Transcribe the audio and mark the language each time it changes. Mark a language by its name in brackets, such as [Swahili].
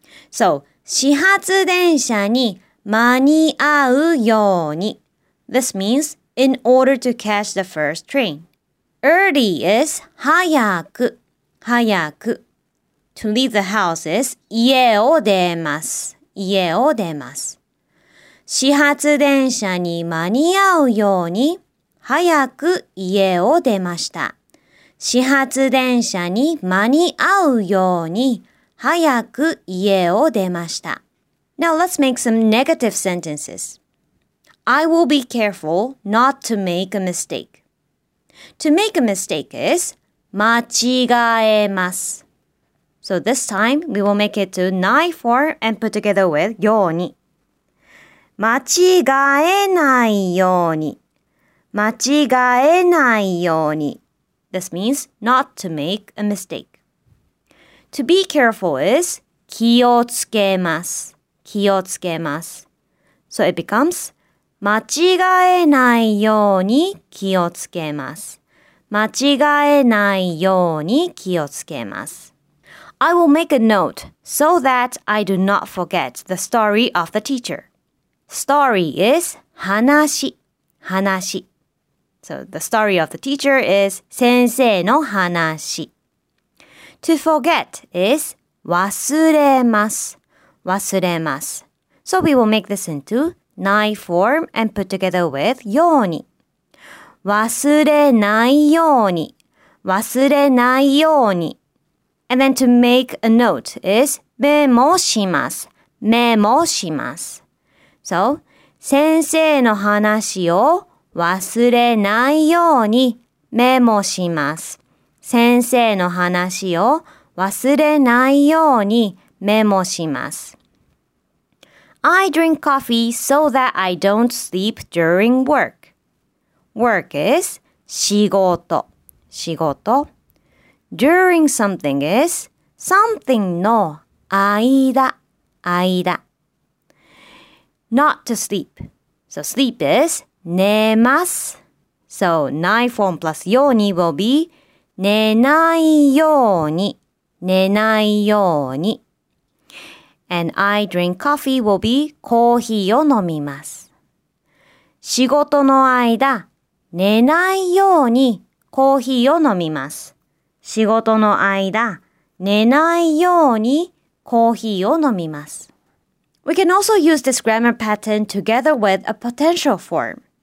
[Japanese] So, 始発電車に間に合うように。 [English] This means in order to catch the first train. Early is 早く。早く。 To leave the house is [Japanese] 家を出ます。家を出ます。始発電車に間に合うように早く家を出ました。始発電車に間に合うように早く家を出ました。 [English] Now let's make some negative sentences. I will be careful not to make a mistake. To make a mistake is 間違えます。 So this time we will make it to noun form and put together with ように。 [Japanese] 間違えないように。間違えないように。 [English] This means not to make a mistake. To be careful is [Japanese] 気をつけます。気をつけます。 [English] So it becomes [Japanese] 間違えないように気をつけます。間違えないように気をつけます。 [English] I will make a note so that I do not forget the story of the teacher. Story is 話。 [Japanese] 話。 [English] So the story of the teacher is [Japanese] 先生の話。 [English] To forget is 忘れます。 [Japanese] 忘れます。 [English] So we will make this into ない form and put together with ように。 [Japanese] 忘れないように。忘れないように。 [English] And then to make a note is [Japanese] メモします。メモします。 So, 先生の話を忘れないようにメモします。先生の話を忘れないようにメモします。 [English] I drink coffee so that I don't sleep during work. Work is 仕事。仕事。 During something is something の間。 [Japanese] 間。 [English] Not to sleep. So sleep is 寝ます。So 9 form plus ように will be [Japanese] 寝ないように。寝ないように。 [English] And I drink coffee will be [Japanese] コーヒーを飲みます。仕事の間、寝ないようにコーヒーを飲みます。仕事の間、寝ないようにコーヒーを飲みます。 [English] We can also use this grammar pattern together with a potential form.